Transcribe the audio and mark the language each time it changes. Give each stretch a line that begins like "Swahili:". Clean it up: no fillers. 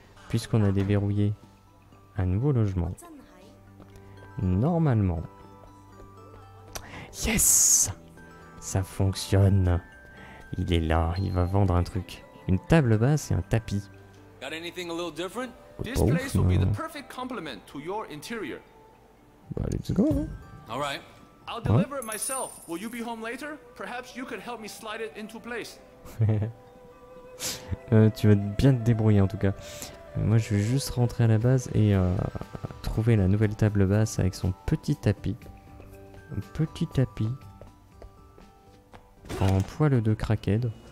French: Puisqu'on a déverrouillé un nouveau logement. Normalement. Yes! Ça fonctionne. Il est là, il va vendre un truc. Une table basse et un tapis.
English: Got anything a little different? This place will be the perfect complement to your interior. Bah, let's go. All right. I'll deliver it myself. Will you be home later? Perhaps you could help me slide it into place.
French: tu vas bien te débrouiller en tout cas. Moi, je vais juste rentrer à la base et trouver la nouvelle table basse avec son petit tapis. Un petit tapis. En poil de crackhead.